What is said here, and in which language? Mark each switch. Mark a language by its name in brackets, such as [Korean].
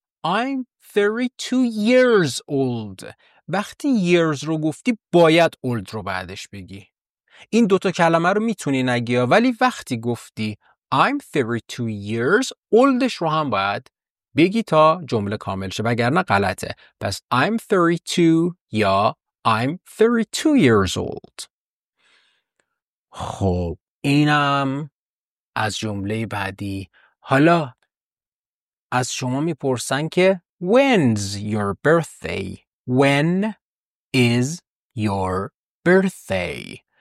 [English] I'm 32 years old. [Persian] وقتی years رو گفتی باید old رو بعدش بگی. این دوتا کلمه رو میتونی نگی، ولی وقتی گفتی [English] I'm 32 years old [Persian] ش رو هم باید بگی تا جمله کامل شه، وگرنه غلطه. [English] پس I'm 32 یا I'm 32 years old. [Persian] خب اینم از جمله بعدی. حالا از شما میپرسن که [English] When's your birthday? When is your birthday?